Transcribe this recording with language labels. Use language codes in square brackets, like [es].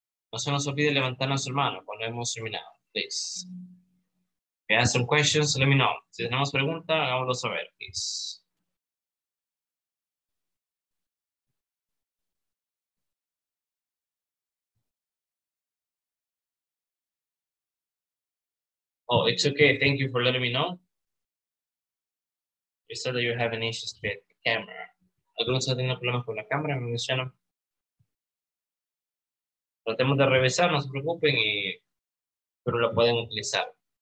[es] No se nos olvide levantar nuestra mano cuando hemos terminado, please. [en] If you have some questions, let me know. [es] Si tenemos pregunta, háganlo saber, please. [en] Oh, it's okay. Thank you for letting me know. You said that you have an issue with the camera. [es] ¿Alguno está teniendo problemas con la cámara? Me mencionan. Tratemos de revisar, no se preocupen, pero lo pueden utilizar.